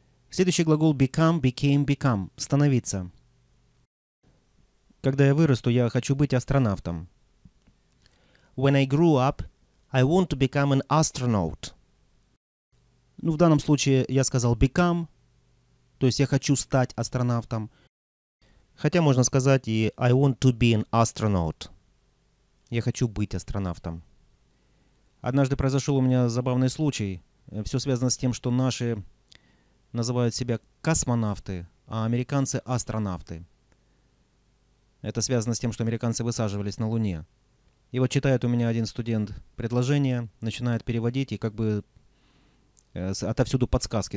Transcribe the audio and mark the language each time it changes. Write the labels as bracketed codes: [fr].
[ru] Следующий глагол become, became, become. Становиться. Когда я вырасту, я хочу быть астронавтом. [en] When I grew up, I want to become an astronaut. [ru] Ну, в данном случае я сказал become, то есть я хочу стать астронавтом. Хотя можно сказать и [en] I want to be an astronaut. [ru] Я хочу быть астронавтом. Однажды произошел у меня забавный случай. Все связано с тем, что наши называют себя космонавты, а американцы астронавты. Это связано с тем, что американцы высаживались на Луне. И вот читает у меня один студент предложение, начинает переводить, и как бы отовсюду подсказки.